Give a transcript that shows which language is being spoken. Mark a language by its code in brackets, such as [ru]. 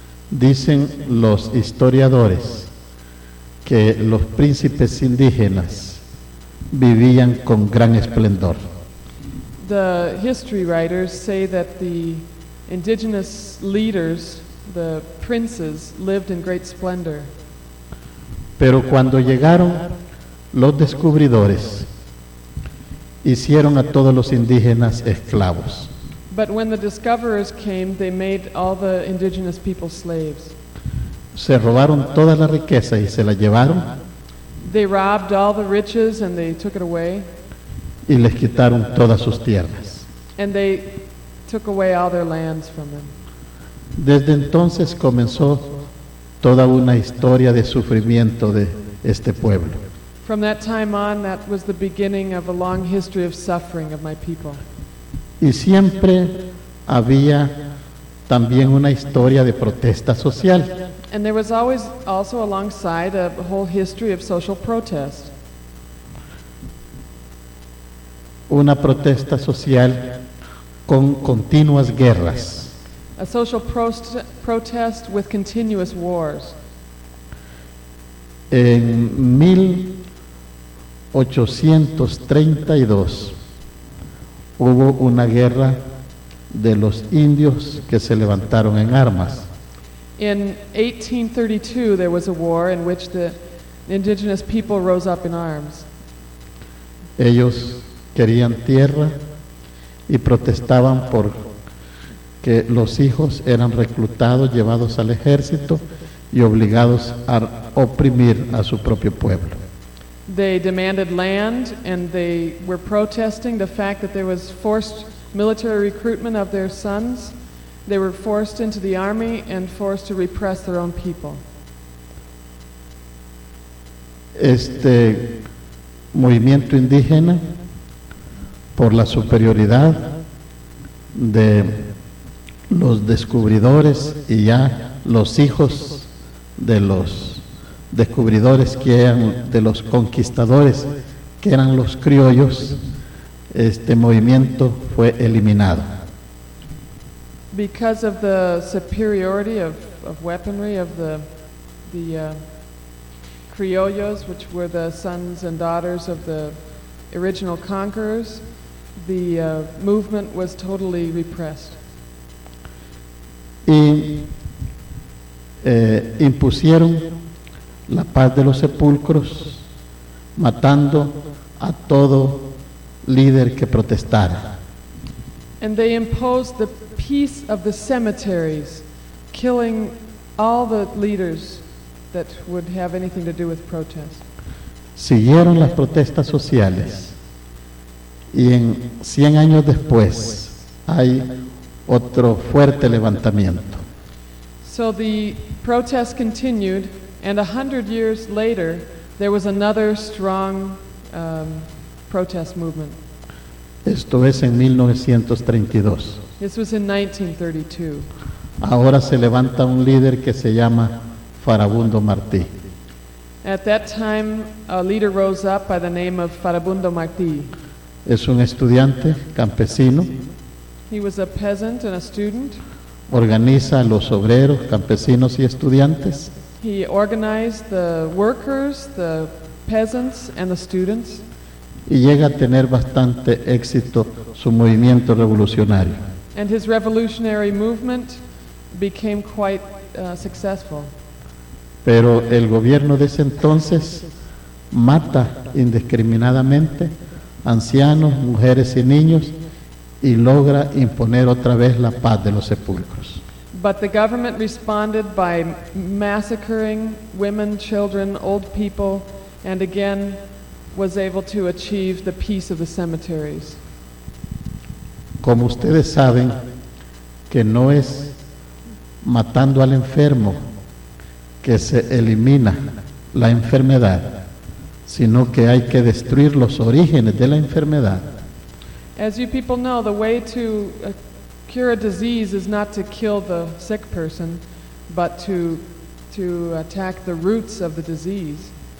[es] Dicen los historiadores que los príncipes indígenas vivían con gran esplendor. [en] The history writers say that the indigenous leaders, the princes, lived in great splendor. [es] Pero cuando llegaron los descubridores, hicieron a todos los indígenas esclavos. [en] But when the discoverers came, they made all the indigenous people slaves. [es] Se robaron toda la riqueza y se la llevaron. [en] They robbed all the riches and they took it away. [es] Y les quitaron todas sus tierras. [en] And they took away all their lands from them. [es] Desde entonces comenzó toda una historia de sufrimiento de este pueblo. [en] From that time on, that was the beginning of a long history of suffering of my people. [es] Y siempre había también una historia de protesta social. [en] And there was always also alongside a whole history of social protest. [es] Una protesta social con continuas guerras. [en] A social protest with continuous wars. [es] En 1832 hubo una guerra de los indios que se levantaron en armas. [en] In 1832 there was a war in which the indigenous people rose up in arms. [es] Ellos querían tierra y protestaban por que los hijos eran reclutados, llevados al ejército y obligados a oprimir a su propio pueblo. [en] They demanded land and they were protesting the fact that there was forced military recruitment of their sons. They were forced into the army and forced to repress their own people. [es] Este movimiento indígena por la superioridad de los descubridores y ya los hijos de los descubridores que eran de los conquistadores que eran los criollos, este movimiento fue eliminado. [en] Because of the superiority of weaponry of the criollos, which were the sons and daughters of the original conquerors, the movement was totally repressed. [es] Y impusieron la paz de los sepulcros, matando a todo líder que protestara. [en] And they imposed the peace of the cemeteries, killing all the leaders that would have anything to do with protest. [es] Siguieron las protestas sociales, y en 100 años después hay otro fuerte levantamiento. [en] So the protest continued. And 100 years later, there was another strong protest movement. [es] Esto es en 1932. [en] This was in 1932. [es] Ahora se levanta un líder que se llama Farabundo Martí. [en] At that time, a leader rose up by the name of Farabundo Martí. [es] Es un estudiante campesino. [en] He was a peasant and a student. [es] organiza a los obreros, campesinos y estudiantes. [en] He organized the workers, the peasants, and the students. [es] Y llega a tener bastante éxito su movimiento revolucionario. [en] And his revolutionary movement became quite successful. [es] Pero el gobierno de ese entonces mata indiscriminadamente ancianos, mujeres y niños y logra imponer otra vez la paz de los sepulcros. [en] But the government responded by massacring women, children, old people, and again was able to achieve the peace of the cemeteries. [es] Como ustedes saben, que no es matando al enfermo que se elimina la enfermedad, sino que hay que destruir los orígenes de la enfermedad. [en] As you people know, the way to cure a disease is not to kill the sick person, but to attack the roots of the disease.